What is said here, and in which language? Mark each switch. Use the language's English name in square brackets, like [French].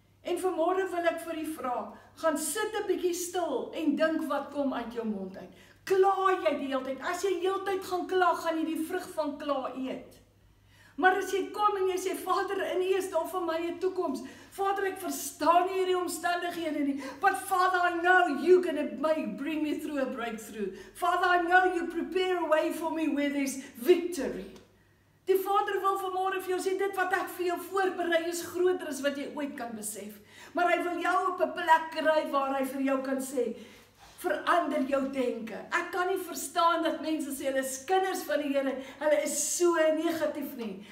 [Afrikaans] En vanmôre wil ek vir u vra, gaan sit 'n bietjie stil en dink wat kom uit jou mond uit. Kla jy die hele tyd? As jy die hele tyd gaan kla, gaan jy die vrug van kla eet. Maar as jy kom en jy sê, Vader, in U is daar vir my 'n toekoms. Vader, ek verstaan nie hierdie omstandighede nie. [English] But Father, I know You gonna bring me through a breakthrough. Father, I know You prepare a way for me where there's victory. [Afrikaans] Die Vader wil vanmôre vir jou sê, dit wat ek vir jou voorberei is groter as wat jy ooit kan besef. Maar hy wil jou op 'n plek kry waar hy vir jou kan sê, verander jou denke. Ek kan nie verstaan dat mense sê hulle is kinders van die Here, hulle is so negatief nie.